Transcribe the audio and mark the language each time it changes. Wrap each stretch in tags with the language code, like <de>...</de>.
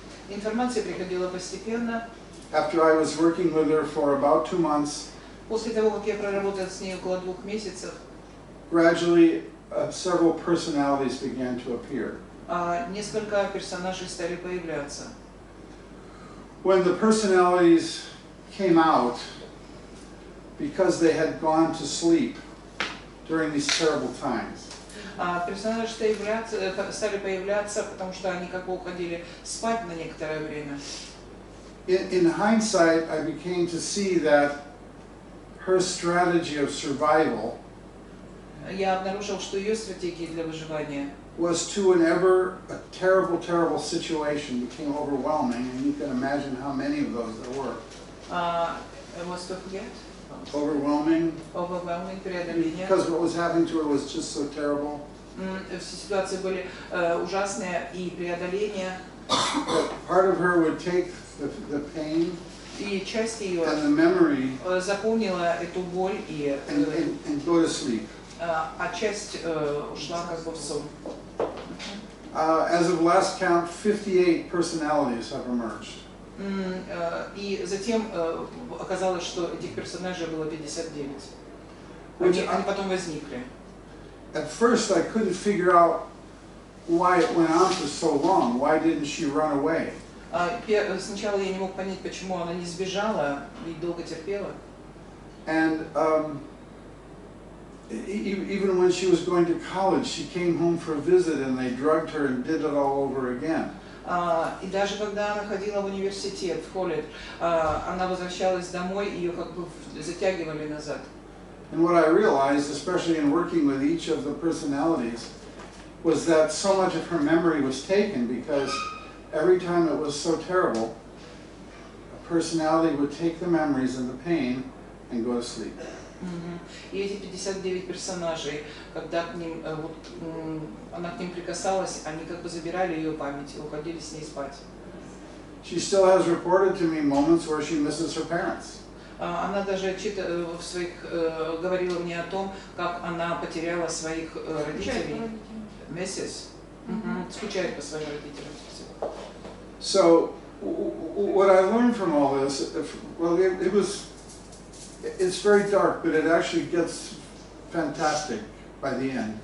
<ru>Информация приходила постепенно.</ru> <en>After I was working with her for about 2 months.</en> <ru>После того, как я проработал с ней около 2 месяцев.</ru> <en>Gradually, several personalities began to appear.</en> <ru>Несколько персонажей стали появляться.</ru> <en>When the personalities came out, because they had gone to sleep. During these terrible times.</en> <ru>Персонажи стали появляться, потому что они как бы уходили спать на некоторое время.</ru> <en>In hindsight, I became to see that her strategy of survival.</en> <ru>Я обнаружил, что ее стратегия для выживания.</ru> <en>Was to whenever a terrible, terrible situation became overwhelming, and you can imagine how many of those there were. Was to forget. Overwhelming</en> <ru>преодоление.</ru> <en>Because what was happening to her was just so terrible.</en> <ru>Все ситуации были ужасные и преодоление.</ru> <en>Part of her would take the pain.</en> <ru>И часть ее.</ru> <en>And the memory.</en> <ru>Запомнила эту боль и.</ru> <en>And go to sleep.</en> <ru>А часть ушла как бы в сон.</ru> <en>As of last count, 58 personalities have emerged.</en> <ru>И затем оказалось, что этих персонажей было 59. Они потом возникли.</ru> <en>At first I couldn't figure out why it went on for so long. Why didn't she run away?</en> <ru>Сначала я не мог понять, почему она не сбежала и долго терпела.</ru> <en>And even when she was going to college, she came home for a visit and they drugged her and did it all over again.</en> <ru>И даже когда она ходила в университет, в колледж, она возвращалась домой, и ее как бы затягивали назад.</ru> <en>And what I realized, especially in working with each of the personalities, was that so much of her memory was taken, because every time it was so terrible, a personality would take the memories and the pain and go to sleep.</en> <ru>И эти 59 персонажей, когда к ним, вот, она к ним прикасалась, они как бы забирали ее память и уходили с ней спать.</ru> <en>She still has reported to me moments where she misses her parents.</en> <ru>Она даже в своих говорила мне о том, как она потеряла своих родителей. Миссис. Скучает по своим родителям.</ru> <en>So, what I learned from all this, it was... It's very dark, but it actually gets fantastic by the end.</en>